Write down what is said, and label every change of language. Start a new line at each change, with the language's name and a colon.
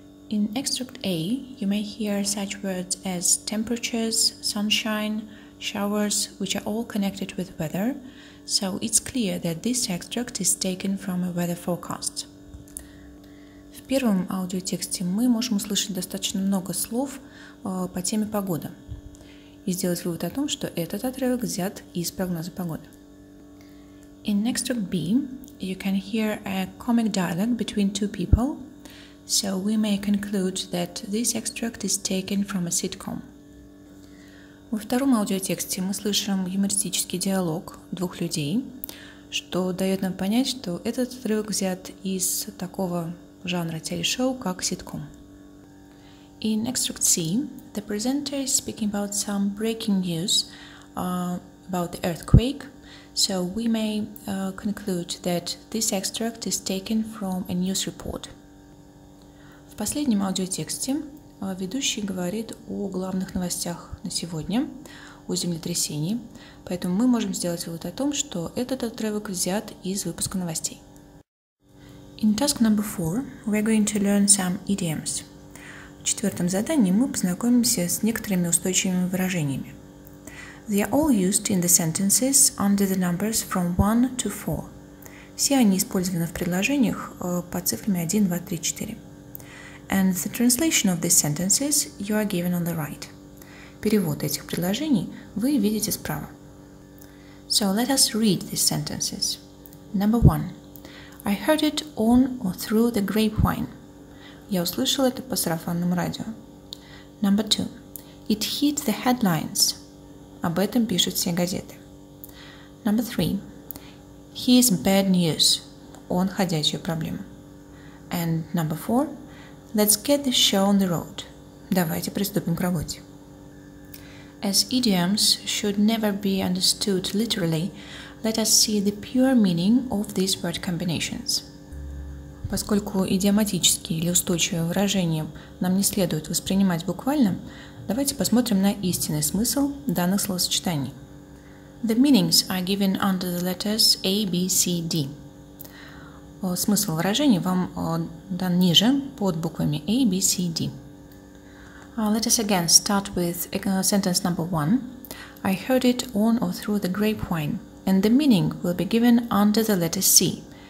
English: In extract A, you may hear such words as temperatures, sunshine, showers, which are all connected with weather, so it's clear that this extract is taken from a weather forecast.
Russian: В первом аудиотексте мы можем услышать достаточно много слов по теме погода и сделать вывод о том, что этот отрывок взят из прогноза погоды.
English: In next track B, you can hear a comic dialogue between two people, so we may conclude that this extract is taken from a sitcom.
Russian: Во втором аудиотексте мы слышим юмористический диалог двух людей, что дает нам понять, что этот отрывок взят из такого жанра телешоу, как ситком.
English: In extract C, the presenter is speaking about some breaking news about the earthquake, so we may conclude that this extract is taken from a news report.
Russian: В последнем аудиотексте ведущий говорит о главных новостях на сегодня, о землетрясении, поэтому мы можем сделать вывод о том, что этот отрывок взят из выпуска новостей.
English: In task number 4, we're going to learn some idioms.
Russian: В четвертом задании мы познакомимся с некоторыми устойчивыми выражениями.
English: They are all used in the sentences under the numbers from 1 to 4.
Russian: Все они использованы в предложениях по цифрами 1, 2, 3, 4.
English: And the translation of these sentences you are given on the right.
Russian: Перевод этих предложений вы видите справа.
English: So let us read these sentences. Number 1. I heard it on or through the grapevine.
Russian: Я услышал это по сарафанному радио.
English: Number 2. It hit the headlines.
Russian: Об этом пишут все газеты.
English: Number 3. He is bad news.
Russian: Он ходячая проблема.
English: And number four. Let's get the show on the road.
Russian: Давайте приступим к работе.
English: As idioms should never be understood literally, let us see the pure meaning of these word combinations.
Russian: Поскольку идиоматические или устойчивые выражения нам не следует воспринимать буквально, давайте посмотрим на истинный смысл данных словосочетаний.
English: The meanings are given under the letters A, B, C, D.
Russian: Смысл выражения вам дан ниже под буквами A, B, C, D.
English: Let us again start with sentence number one. I heard it on or through the grapevine, and the meaning will be given under the letter C.